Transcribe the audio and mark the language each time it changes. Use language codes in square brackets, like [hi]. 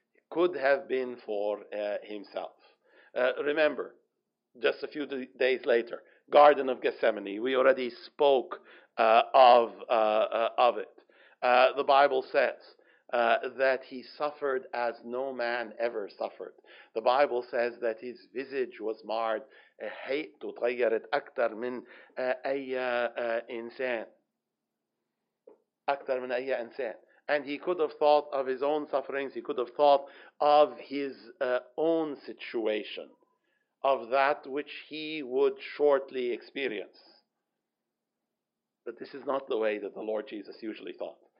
[en] Could have been for himself. Remember, just a few days later, Garden of Gethsemane. We already spoke of it. The Bible says that he suffered as no man ever suffered. The Bible says that his visage was marred. [ar] حيئته تغيرت أكثر من أي إنسان. أكثر من أي إنسان. [en] And he could have thought of his own sufferings. He could have thought of his own situation. Of that which he would shortly experience. But this is not the way that the Lord Jesus usually thought.